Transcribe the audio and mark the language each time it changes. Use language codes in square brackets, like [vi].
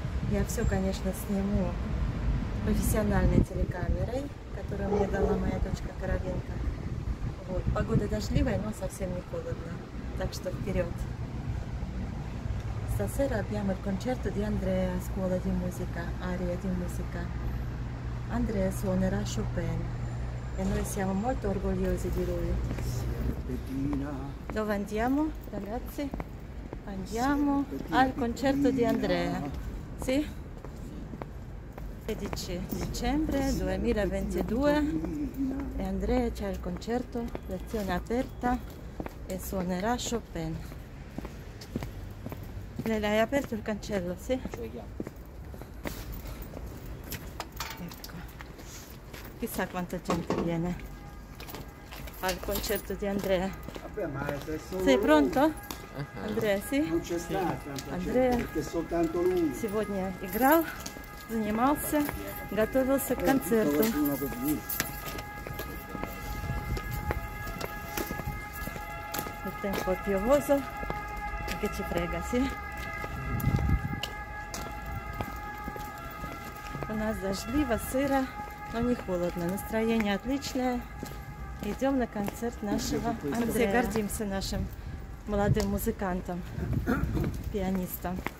[ru] Я все, конечно, сниму профессиональной телекамерой, которую мне дала моя дочка Коровенко. Вот. Погода дождливая, но совсем не холодно. Так что вперед! [it] Stasera abbiamo il concerto di Andrea a scuola di musica, aria di musica. Andrea suonerà Chopin e noi siamo molto orgogliosi di lui. Dove andiamo, ragazzi? Andiamo al concerto di Andrea. Sì? 16 dicembre 2022 e Andrea c'è il concerto, lezione aperta e suonerà Chopin. Le hai aperto il cancello, sì? Ecco. Chissà quanta gente viene al concerto di Andrea. Vabbè, ma è solo sei lui. Pronto? Uh-huh. Andrea, sì? Non c'è sì. Stata, Andrea, perché soltanto lui. Si vuole [ru] играл, занимался, готовился к концерту. [it] Il tempo è piovoso, che ci frega, sì? [ru] У нас дождливо, сыро, но не холодно. Настроение отличное. Идем на концерт нашего Андрея. Все гордимся нашим молодым музыкантом, пианистом.